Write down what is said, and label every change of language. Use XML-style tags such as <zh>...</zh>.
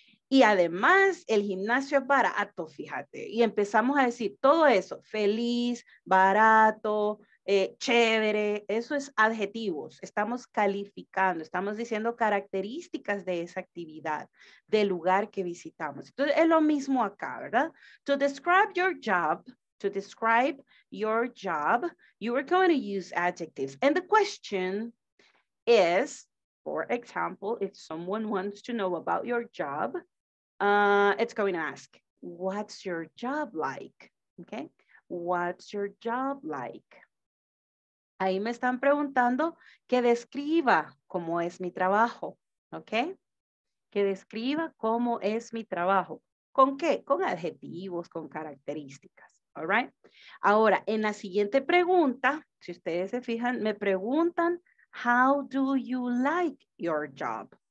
<es>Y además, el gimnasio es barato, fíjate, y empezamos a decir todo eso, feliz, barato, chévere, eso es adjetivos, estamos calificando, estamos diciendo características de esa actividad, del lugar que visitamos. Entonces, es lo mismo acá, ¿verdad?</es> <en>To describe your job, to describe your job, you are going to use adjectives. And the question is, for example, if someone wants to know about your job, it's going to ask, what's your job like? Okay, what's your job like?</en> <es>Ahí me están preguntando que describa cómo es mi trabajo, ¿ok? Que describa cómo es mi trabajo. ¿Con qué? Con adjetivos, con características, ¿all right? Ahora, en la siguiente pregunta, si ustedes se fijan, me preguntan,</es> <en>how do you like your job?</en>